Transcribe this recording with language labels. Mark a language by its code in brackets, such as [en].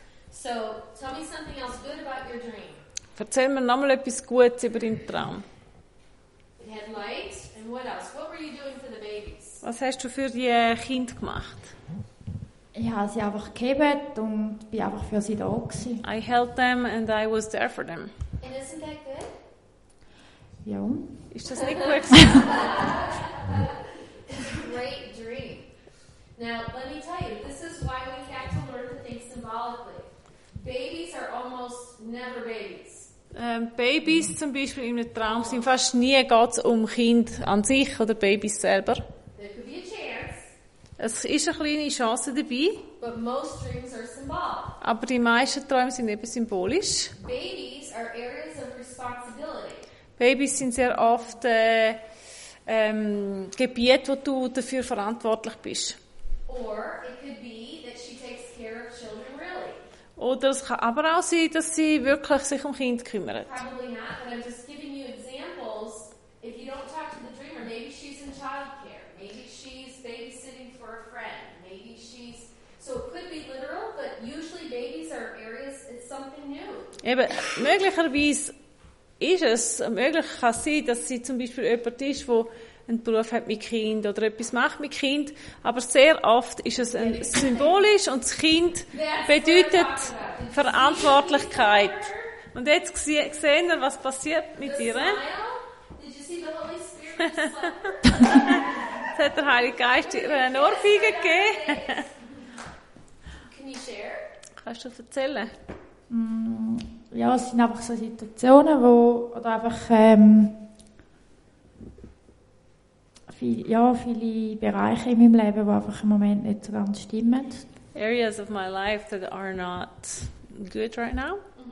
[en] So, tell me something else good about your dream. [de] Erzähl mir nochmal etwas Gutes über deinen Traum. [en] It had light and what else? What were you doing for the babies? [de] Was hast du für die Kinder gemacht? Ich habe sie einfach gehabt und bin einfach für sie da gewesen. [en] I held them and I was there for them. And isn't that good? [de] Ja. Ist das nicht gut? [en] Great dream. Now, let me tell you, this is why we have to learn to think symbolically. Babies are almost never babies. [de] Babies, zum Beispiel in einem Traum, sind fast nie, geht's um Kind an sich oder Babys selber. [en] There could be a chance. [de] Es ist eine kleine Chance dabei. [en] But most dreams are symbolic. [de] Aber die meisten Träume sind eben symbolisch. [en] Babies are areas of responsibility. [de] Babys sind sehr oft Gebiete, wo du dafür verantwortlich bist. [en] Or it could be that she takes care of children really. [de] Oder es kann aber auch sein, dass sie wirklich sich um Kinder kümmert. [en] Probably not, but I'm just giving you examples. If you don't talk to the dreamer, maybe she's in child care. Maybe she's babysitting for a friend. Maybe she's... So it could be literal, but usually babies are areas, it's something new. [de] Eben, möglicherweise ist es, möglich kann es sein, dass sie zum Beispiel jemand ist, wo ein Beruf hat mit Kind oder etwas macht mit Kind. Aber sehr oft ist es symbolisch und das Kind bedeutet Verantwortlichkeit. Und jetzt sehen wir, was passiert mit ihr. Jetzt hat der Heilige Geist ihr eine Ohrfeige gegeben. Kannst du erzählen? Ja, es sind einfach so Situationen, wo oder einfach viele Bereiche in meinem Leben, die einfach im Moment nicht so ganz stimmen. [en] Areas of my life that are not good right now, mm-hmm.